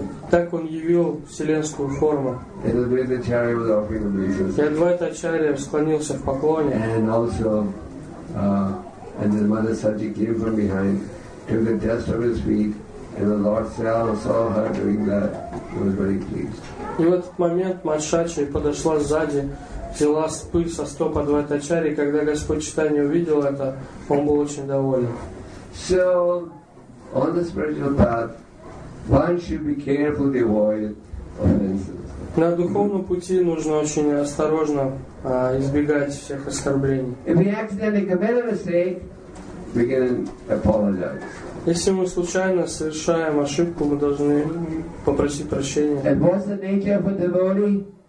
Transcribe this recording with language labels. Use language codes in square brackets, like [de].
[ru] Так Он явил вселенскую форму. И Адвайта Ачарья склонился в поклоне. И [en] Мадхва Саджи came from behind. Took the dust from his feet, and the Lord saw her doing that. He was very pleased. [ru] И в этот момент Мадхва-ачарья подошла сзади, взяла пыль со стоп Адвайта Ачарьи. Когда Господь Читания увидел это, он был очень доволен. [en] So, on the spiritual path, one should be careful to avoid offenses. [ru] На духовном пути нужно очень осторожно избегать всех оскорблений. [en] If we accidentally commit a mistake, we can apologize. [ru] Если мы случайно совершаем ошибку, мы должны попросить прощения. [en] And what's the nature of a devotee?